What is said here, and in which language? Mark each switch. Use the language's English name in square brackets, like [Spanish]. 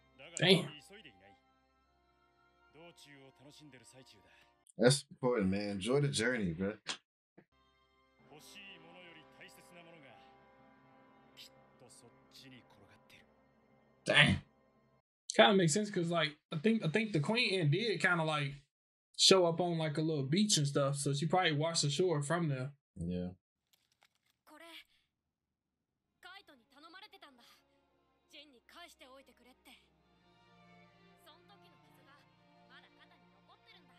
[Japanese] だが急いでいない。道中を楽しんでる最中だ。 [English] That's important, man. Enjoy the journey, bro. [Japanese] 欲しいものより大切なものがきっとそっちに転がってる。 [English] Damn. Kind of makes sense, cause like I think the queen and did kind of like. Show up on like a little beach and stuff, so she probably washed ashore from there. Yeah. [Japanese] これ、カイトに頼まれてたんだ。ジンに返しておいてくれって。その時の傷がまだ肩に残ってるんだ。